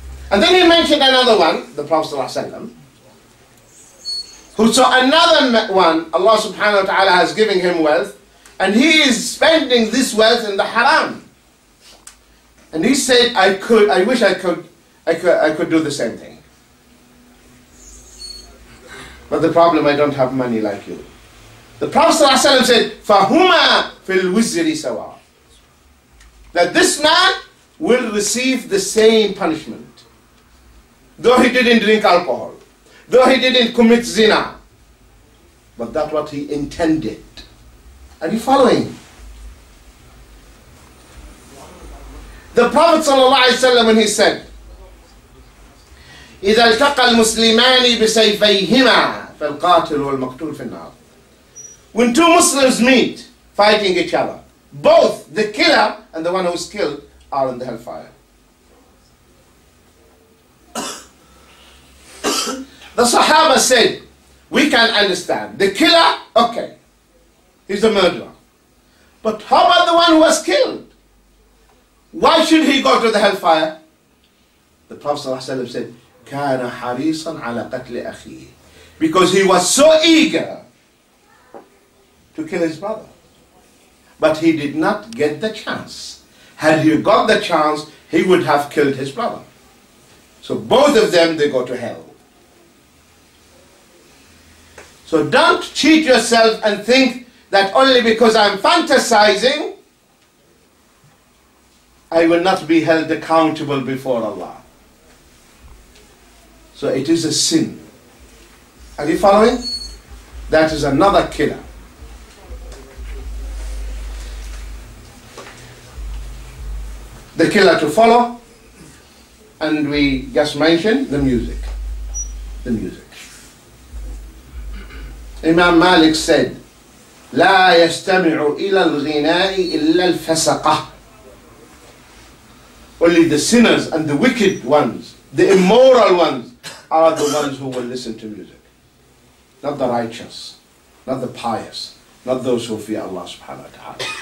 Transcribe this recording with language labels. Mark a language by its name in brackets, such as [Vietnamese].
[English] And then he mentioned another one, the Prophet ﷺ, who saw another one, Allah subhanahu wa ta'ala has given him wealth, and he is spending this wealth in the haram. And he said, I wish I could do the same thing. But the problem, I don't have money like you. The Prophet ﷺ said, [Arabic] فَهُمَا فِي الْوِزْرِ سَوَا. [English] That this man will receive the same punishment. Though he didn't drink alcohol, though he didn't commit zina, but that's what he intended. Are you following? The Prophet sallallahu alaihi wasallam, when he said, [Arabic] إِذَا الْتَقَى الْمُسْلِمَانِ بِسَيْفَيْهِمَا فَالْقَاتِلُ وَالْمَقْتُولُ فِي النَّارِ. [English] When two Muslims meet, fighting each other, both the killer and the one who is killed, are in the hellfire. The Sahaba said, we can understand. The killer, okay, he's a murderer. But how about the one who was killed? Why should he go to the hellfire? The Prophet ﷺ said, [Arabic] كَانَ حَرِيصًا عَلَى قَتْلِ أَخِيهِ. [English] Because he was so eager to kill his brother. But he did not get the chance. Had he got the chance, he would have killed his brother. So both of them, they go to hell. So don't cheat yourself and think that only because I'm fantasizing, I will not be held accountable before Allah. So it is a sin. Are you following? That is another killer. The killer to follow, and we just mentioned the music. The music. Imam Malik said, [Arabic] لا يستمع إلى الغناء إلا الفسقة. [English] Only the sinners and the wicked ones, the immoral ones, are the ones who will listen to music. Not the righteous, not the pious, not those who fear Allah subhanahu wa ta'ala.